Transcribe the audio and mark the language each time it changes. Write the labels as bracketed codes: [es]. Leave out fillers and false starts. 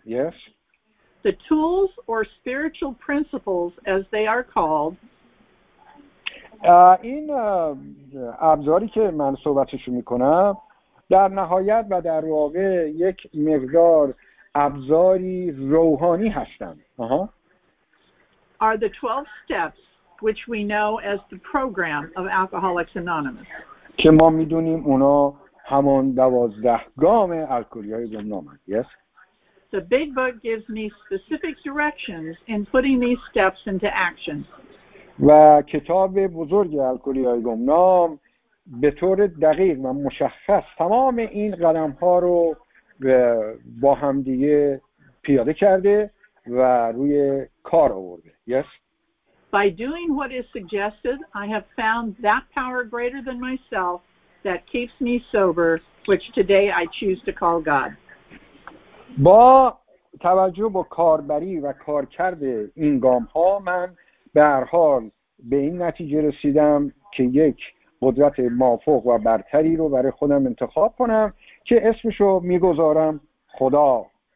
[en] Yes. The tools or spiritual principles as they are called. [fa] این ابزاری که من صحبتشو میکنم در نهایت و در واقع یک مقدار ابزاری روحانی هستند. [en] Are the 12 steps which we know as the program of Alcoholics Anonymous. [fa] که ما میدونیم اونا همون 12 گام الکلی‌های گمنام. [en] Yes. The big book gives me specific directions in putting these steps into action. [fa] و کتاب بزرگ الکلی‌های گمنام به طور دقیق و مشخص تمام این قدم‌ها رو با هم دیگه پیاده کرده و روی کار آورده. [en] Yes. By doing what is suggested, I have found that power greater than myself that keeps me sober, which today I choose to call God. [fa] با توجه به کاربری و کارکرد این گام‌ها من به هر حال به این نتیجه رسیدم که یک قدرت مافوق و برتری رو برای خودم انتخاب کنم که اسمش رو می‌گذارم خدا.